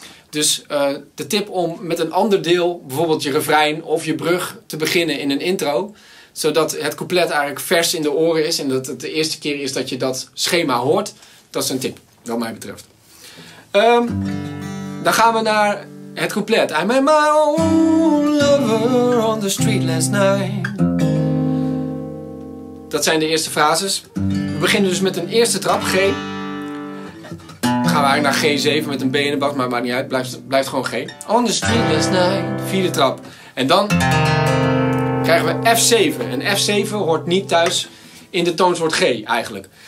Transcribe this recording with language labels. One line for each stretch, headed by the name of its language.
Dutch: Dus de tip om met een ander deel, bijvoorbeeld je refrein of je brug, te beginnen in een intro. Zodat het couplet eigenlijk vers in de oren is. En dat het de eerste keer is dat je dat schema hoort. Dat is een tip, wat mij betreft. Dan gaan we naar het couplet.
English: I met my own lover on the street last night.
Dutch: Dat zijn de eerste frases. We beginnen dus met een eerste trap, G. Dan gaan we eigenlijk naar G7 met een B in de bak, maar maakt niet uit, blijft gewoon G.
English: On the street last night,
Dutch: vierde trap. En dan krijgen we F7. En F7 hoort niet thuis in de toonsoort G eigenlijk.